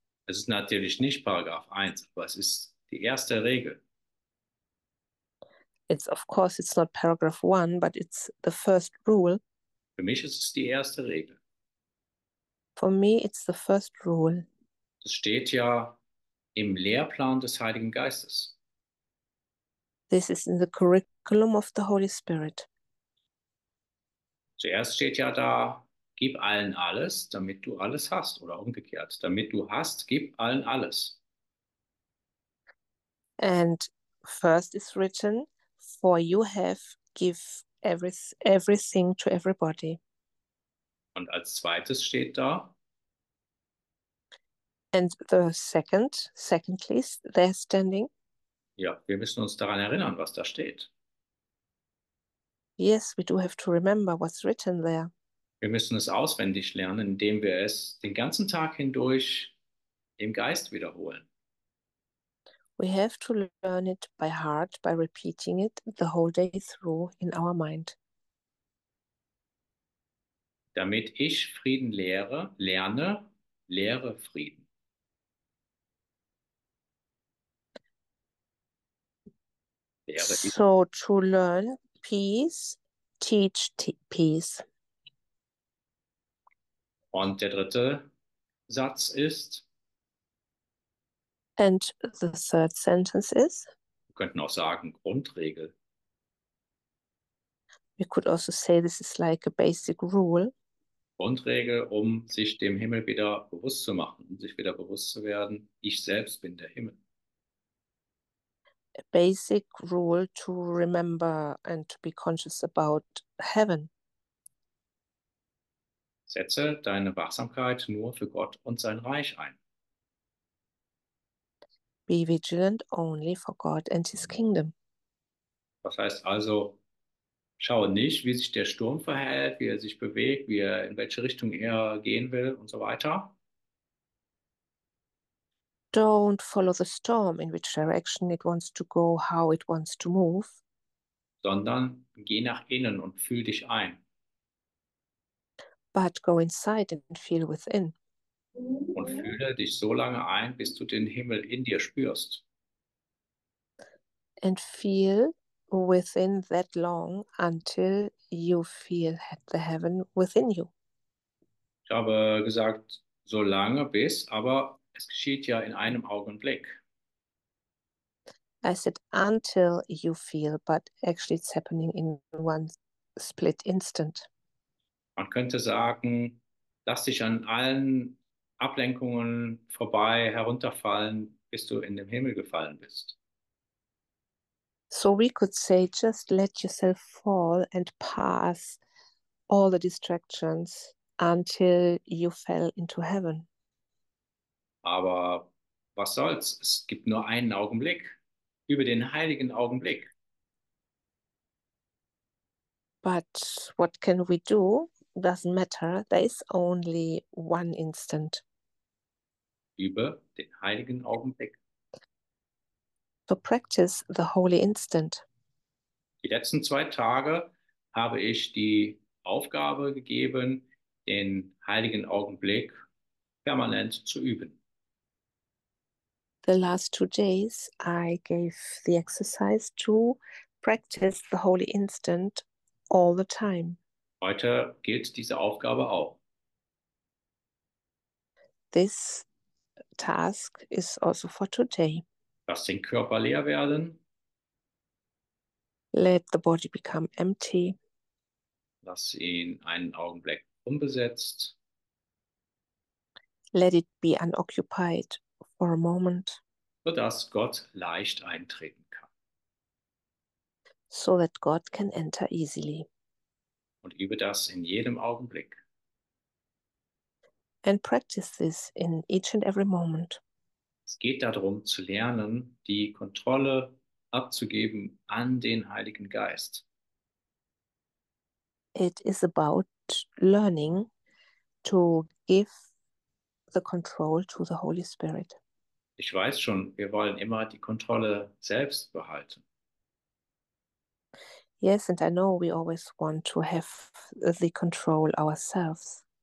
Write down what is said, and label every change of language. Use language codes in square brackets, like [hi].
[de] Es ist natürlich nicht Paragraph 1, aber es ist die erste Regel. [en] It's of course it's not paragraph 1, but it's the first rule. [de] Für mich ist es die erste Regel. [en] For me it's the first rule. [de] Es steht ja im Lehrplan des Heiligen Geistes. [en] This is in the curriculum of the Holy Spirit. [de] Zuerst steht ja da, gib allen alles, damit du alles hast, oder umgekehrt, damit du hast, gib allen alles. [en] And first is written, for you have, give everything to everybody. [de] Und als zweites steht da, [en] and the secondly, they're standing. [de] Ja, wir müssen uns daran erinnern, was da steht. [en] Yes, we do have to remember what's written there. [de] Wir müssen es auswendig lernen, indem wir es den ganzen Tag hindurch im Geist wiederholen. [en] We have to learn it by heart by repeating it the whole day through in our mind. [de] Damit ich Frieden lehre, lerne, lehre Frieden. [en] So to learn peace, teach peace. [de] Und der dritte Satz ist, [en] and the third sentence is, [de] wir könnten auch sagen, Grundregel. [en] We could also say this is like a basic rule. [de] Grundregel, um sich dem Himmel wieder bewusst zu machen, um sich wieder bewusst zu werden, ich selbst bin der Himmel. [en] A basic rule to remember and to be conscious about heaven. [de] Setze deine Wachsamkeit nur für Gott und sein Reich ein. [en] Be vigilant only for God and his kingdom. [de] Das heißt also, schau nicht, wie sich der Sturm verhält, wie er sich bewegt, wie er, in welche Richtung er gehen will und so weiter. [en] Don't follow the storm, in which direction it wants to go, how it wants to move. [de] Sondern geh nach innen und fühl dich ein. [en] But go inside and feel within. [de] Und fühle dich so lange ein, bis du den Himmel in dir spürst. [en] And feel within that long until you feel the heaven within you. [de] Ich habe gesagt, so lange bis, aber es geschieht ja in einem Augenblick. [en] I said until you feel, but actually it's happening in one split instant. [de] Man könnte sagen, lass dich an allen Ablenkungen vorbei herunterfallen, bis du in den Himmel gefallen bist. [en] So we could say, just let yourself fall and pass all the distractions until you fell into heaven. [de] Aber was soll's? Es gibt nur einen Augenblick, über den heiligen Augenblick. [en] But what can we do? Doesn't matter. There is only one instant. [de] Über den heiligen Augenblick. [en] So practice the holy instant. [de] Die letzten zwei Tage habe ich die Aufgabe gegeben, den heiligen Augenblick permanent zu üben. [en] The last 2 days I gave the exercise to practice the holy instant all the time. [de] Heute gilt diese Aufgabe auch. [en] This task is also for today. [de] Lass den Körper leer werden. [en] Let the body become empty. [de] Lass ihn einen Augenblick unbesetzt. [en] Let it be unoccupied for a moment. [de] So dass Gott leicht eintreten kann. [en] So that God can enter easily. [de] Und übe das in jedem Augenblick. [en] And practice this in each and every moment. [de] Es geht darum zu lernen, die Kontrolle abzugeben an den Heiligen Geist. [en] It is about learning to give the control to the Holy Spirit. [de] Ich weiß schon, wir wollen immer die Kontrolle selbst behalten. [en] Yes, and I know we always want to have the control ourselves.